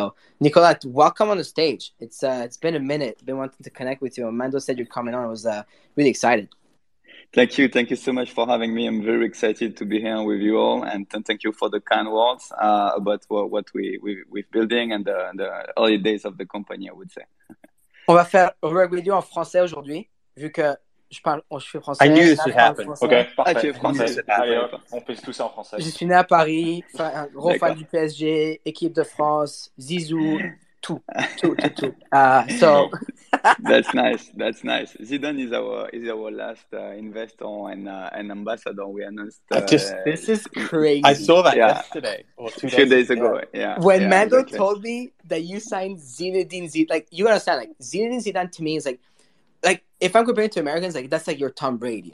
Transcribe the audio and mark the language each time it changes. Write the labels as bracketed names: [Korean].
[English] So, Nicolas, welcome on the stage. It's been a minute. I've been wanting to connect with you. Mando said you're coming on. I was really excited. Thank you. Thank you so much for having me. I'm very excited to be here with you all. And thank you for the kind words about what we're building and the early days of the company, I would say. [French] On va faire réguler en français aujourd'hui, vu que je suis français. [English] I knew this would happen. Okay, [French] parfait. Okay, français. On pèse tout ça en français. Je suis né à Paris, un gros fan du PSG, équipe de France, Zizou, tout. [English] So. That's nice. Zidane is our last investor and ambassador we announced. This is crazy. I saw that two days ago. Yeah. When yeah, Mando exactly. told me that you signed Zinedine Zidane, like you understand, like Zinedine Zidane to me is like if I'm comparing to Americans, like that's like your Tom Brady.